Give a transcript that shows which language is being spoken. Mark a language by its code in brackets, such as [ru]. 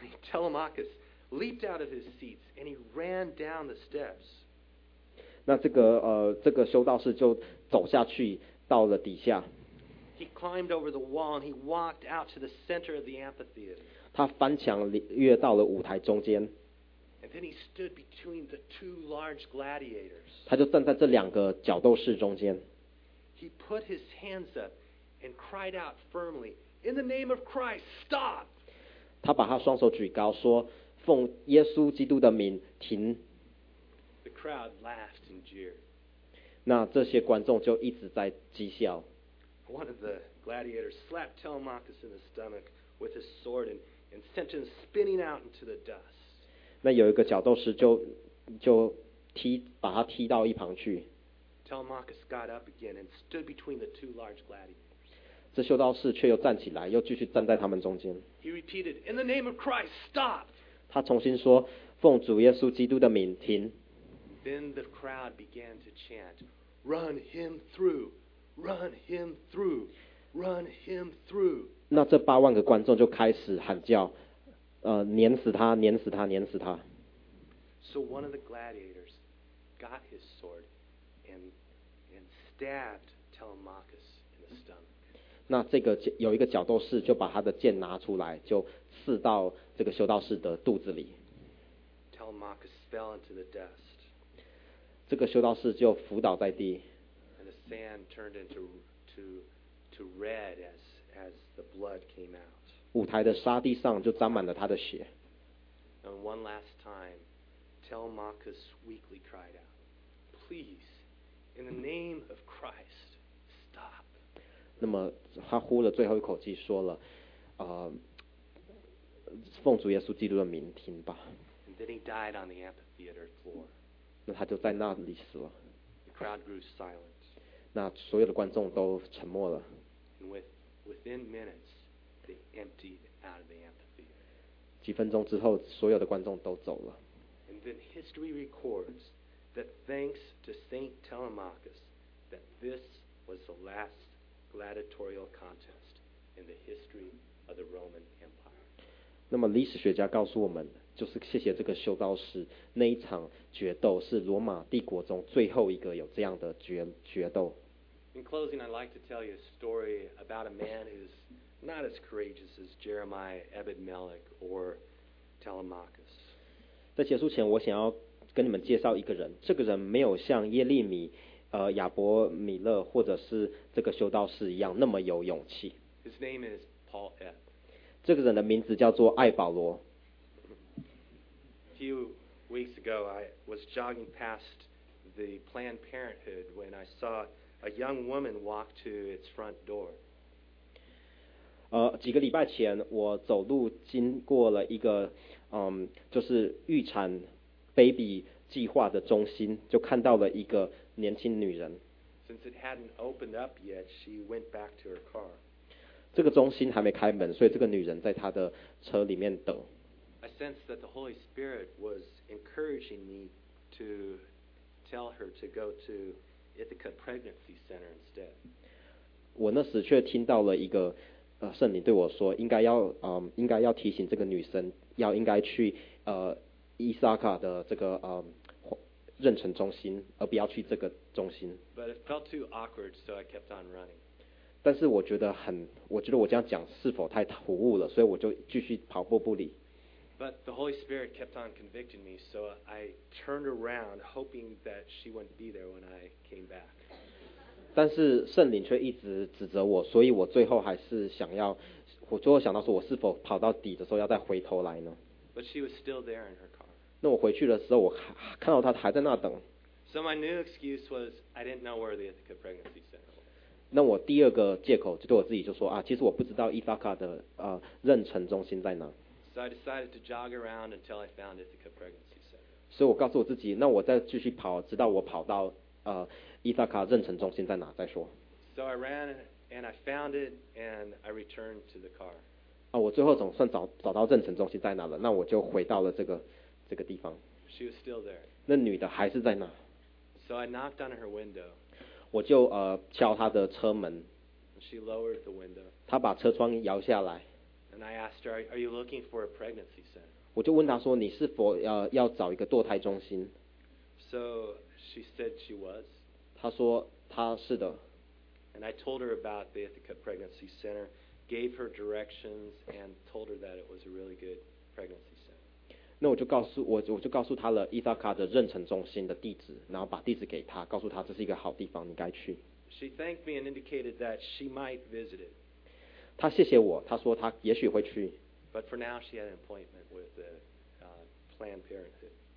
[en] Telemachus leaped out of his seats and he ran down the steps. [zh] 那这个修道士就走下去到了底下。 [en] He climbed over the wall and he walked out to the center of the amphitheater. [zh] 他翻墙越到了舞台中间。 [en] And then he stood between the two large gladiators. [zh] 他就站在这两个角斗士中间。 [en] He put his hands up and cried out firmly, "In the name of Christ, stop!" [zh] 他把他双手举高，说：“奉耶稣基督的名，停！” [en] The crowd laughed and jeered. [zh] 那这些观众就一直在讥笑。 [en] One of the gladiators slapped Telemachus in the stomach with his sword and sent him spinning out into the dust. [zh] 那有一个角斗士就把他踢到一旁去。 [en] Telemachus got up again and stood between the two large gladiators. [zh] 这修道士却又站起来，又继续站在他们中间。 [en] He repeated, "In the name of Christ, stop!" [zh] 他重新说，奉主耶稣基督的名，停。 [en] Then the crowd began to chant, "Run him through!" Run him through, run him through. [zh] 那这八万个观众就开始喊叫，碾死他，碾死他，碾死他。 [en] So one of the gladiators got his sword and stabbed Telemachus in the stomach. [zh] 那这个有一个角斗士就把他的剑拿出来，就刺到这个修道士的肚子里。 [en] Telemachus fell into the dust. [zh] 这个修道士就伏倒在地。 [en] Sand turned into red as the blood came out. [zh] 舞台的沙地上就沾满了他的血。 [en] And one last time, Telemachus weakly cried out, "Please, in the name of Christ, stop." [zh] 那么他呼了最后一口气，说了，奉主耶稣基督的名，停吧。 [en] And then he died on the amphitheater floor. [zh] 那他就在那里死了。 [en] The crowd grew silent. [zh] 那所有的观众都沉默了。 [en] Within minutes, they emptied out of the amphitheater. [zh] 几分钟之后，所有的观众都走了。 [en] And then history records that thanks to Saint Telemachus, that this was the last gladiatorial contest in the history of the Roman Empire. [zh] 那么历史学家告诉我们，就是谢谢这个修道士，那一场决斗是罗马帝国中最后一个有这样的决斗。 [en] In closing, I'd like to tell you a story about a man who's not as courageous as Jeremiah, Ebed-Melech, or Telemachus. [zh] 在结束前，我想要跟你们介绍一个人。这个人没有像耶利米、亚伯米勒或者是这个修道士一样那么有勇气。 [en] His name is Paul Ebb. [zh] 这个人的名字叫做艾保罗。 [en] A few weeks ago, I was jogging past the Planned Parenthood when I saw a young woman walk to its front door. [zh] 几个礼拜前，我走路经过了一个，就是预产 baby 计划的中心，就看到了一个年轻女人。 [en] Since it hadn't opened up yet, she went back to her car. [zh] 这个中心还没开门，所以这个女人在她的车里面等。 [en] I sensed that the Holy Spirit was encouraging me to tell her to go to Ithaca Pregnancy Center instead. [zh] 我那时却听到了一个圣灵对我说，应该要提醒这个女生，要应该去伊萨卡的这个妊娠中心，而不要去这个中心。 [en] But it felt too awkward, so I kept on running. [zh] 但是我觉得我这样讲是否太突兀了，所以我就继续跑步不离。 [en] But the Holy Spirit kept on convicting me, so I turned around, hoping that she wouldn't be there when I came back. [zh] 但是圣灵却一直指责我，所以我最后还是想要，我最后想到说，我是否跑到底的时候要再回头来呢？ [en] But she was still there in her car. [zh] 那我回去的时候，我看到她还在那等。 [en] So my new excuse was I didn't know where the Ithaca Pregnancy Center was. [zh] 那我第二个借口就对我自己就说啊，其实我不知道伊萨卡的妊娠中心在哪。 [en] So I decided to jog around until I found Ithaca Pregnancy Center. [zh] 所以我告诉我自己，那我再继续跑，直到我跑到伊萨卡妊娠中心在哪再说。 [en] So I ran and I found it and I returned to the car. [zh] 我最后总算找到妊娠中心在哪了，那我就回到了这个地方。 [en] She was still there. [zh] 那女的还是在那。 [en] So I knocked on her window. [zh] 我就敲她的车门。 [en] She lowered the window. [zh] 她把车窗摇下来。 [en] And I asked her, "Are you looking for a pregnancy center?" [zh] 我就问她说，你是否要找一个堕胎中心 [en] ？So she said she was. [zh] 她说她是的。 [en] And I told her about the Ithaca Pregnancy Center, gave her directions, and told her that it was a really good pregnancy center. [zh] 那我就告诉她了伊萨卡的妊娠中心的地址，然后把地址给她，告诉她这是一个好地方，你该去。 [en] She thanked me and indicated that she might visit it. [zh] 她谢谢我，她说她也许会去。 [en] But for now, she had an appointment with the Planned Parenthood.